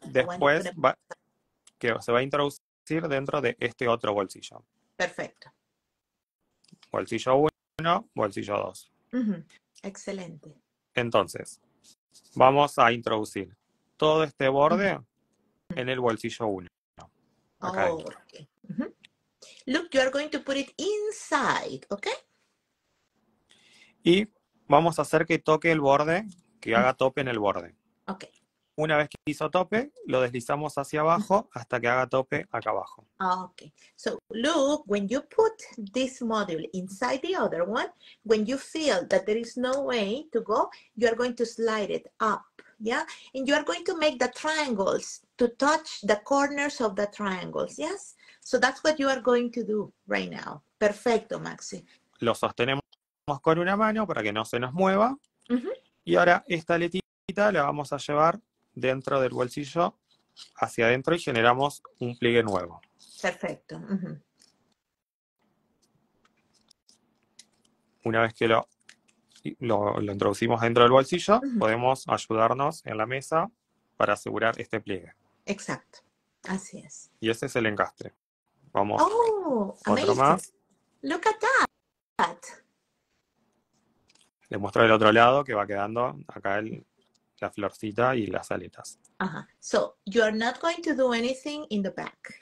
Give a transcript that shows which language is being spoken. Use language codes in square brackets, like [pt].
[es] Después va, que se va a introducir dentro de este otro bolsillo. Perfecto. Bolsillo 1, bolsillo 2. Uh-huh. Excelente. Entonces, vamos a introducir todo este borde uh-huh. en el bolsillo 1. Oh, okay. Uh-huh. [en] Look, you are going to put it inside, okay? [es] Y vamos a hacer que toque el borde, que haga tope en el borde. [en] Ok. [es] Una vez que hizo tope, lo deslizamos hacia abajo hasta que haga tope acá abajo. [en] Ok. So, look, when you put this module inside the other one, when you feel that there is no way to go, you are going to slide it up, yeah? And you are going to make the triangles to touch the corners of the triangles, yes? So, that's what you are going to do right now. [es] Perfecto, Maxi. Lo sostenemos con una mano para que no se nos mueva. Uh-huh. Y ahora esta aletita la vamos a llevar dentro del bolsillo hacia adentro y generamos un pliegue nuevo. Perfecto. Uh-huh. Una vez que lo introducimos dentro del bolsillo, uh-huh. podemos ayudarnos en la mesa para asegurar este pliegue. Exacto. Así es. Y ese es el encastre. Vamos. [en] Oh, otro más. Look at that. [es] Le muestro el otro lado que va quedando acá la florcita y las aletas. Ajá. [en] So, you are not going to do anything in the back.